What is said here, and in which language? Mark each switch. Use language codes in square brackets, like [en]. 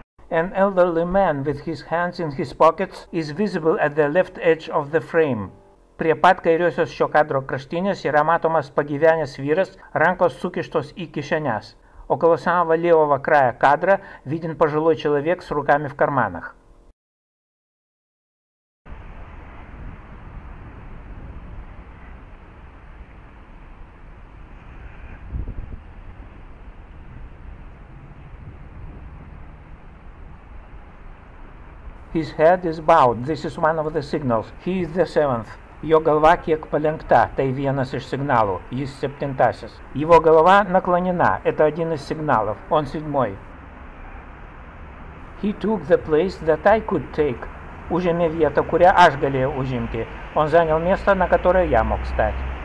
[en] An elderly man with his hands in his pockets is visible at the left edge of the frame. [lt] Prie pat kairiosios šio kadro kraštinės yra matomas pagyvenęs vyras, rankos sukištos į kišenes. [ru] Около самого левого края кадра виден пожилой человек с руками в карманах. [en] His head is bowed. This is one of the signals. He is the seventh. [lt] Jo galva kiek palenkta. Tai vienas iš signalų. Jis septintasis. Jo galva naklonina. [ru] Это один из сигналов. Он седьмой. [en] He took the place that I could take. [lt] Užėmė vietą, kurią aš galėjau užimti. [ru] Он занял место, на которое я мог стать.